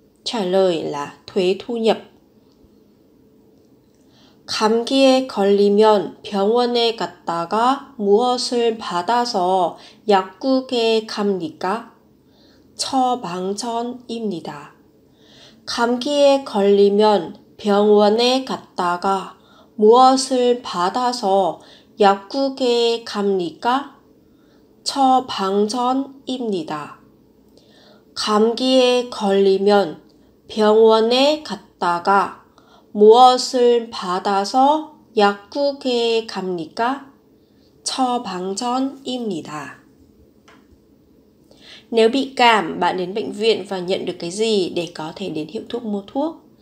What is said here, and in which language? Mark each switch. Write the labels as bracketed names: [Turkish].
[Vietnamese] Trả lời là thuế thu nhập. [Korean] 감기에 걸리면 병원에 갔다가 무엇을 받아서 약국에 갑니까? 처방전입니다. 감기에 걸리면 병원에 갔다가 무엇을 받아서 약국에 갑니까? 처방전입니다. 감기에 걸리면 병원에 갔다가 무엇을 받아서 약국에 갑니까? 처방전입니다. [Vietnamese] Nếu bị cảm, bạn đến bệnh viện và nhận được cái gì để có thể đến hiệu thuốc mua thuốc?